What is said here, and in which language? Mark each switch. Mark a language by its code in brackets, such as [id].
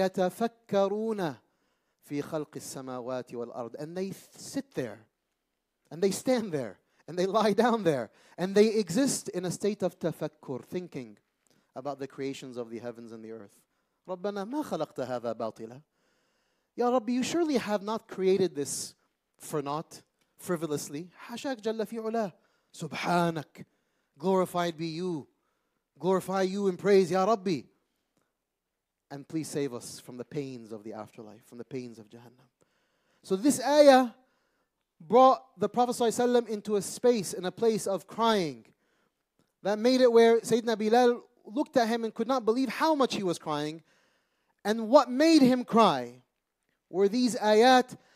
[ar] وَيَتَفَكَّرُونَ فِي خَلْقِ السَّمَاوَاتِ وَالْأَرْضِ [en] And they sit there, and they stand there, and they lie down there, and they exist in a state of tafakkur, thinking about the creations of the heavens and the earth. [ar] رَبَّنَا مَا خَلَقْتَ هَذَا بَاطِلًا [en] Ya Rabbi, you surely have not created this for naught, frivolously. [ar] حَشَاكْ جَلَّ فِي عُلَى سُبْحَانَكْ [en] Glorified be you. Glorify you in praise, Ya Rabbi. And please save us from the pains of the afterlife, from the pains of Jahannam. So this ayah brought the Prophet ﷺ into a space, in a place of crying. That made it where Sayyidina Bilal looked at him and could not believe how much he was crying. And what made him cry were these ayat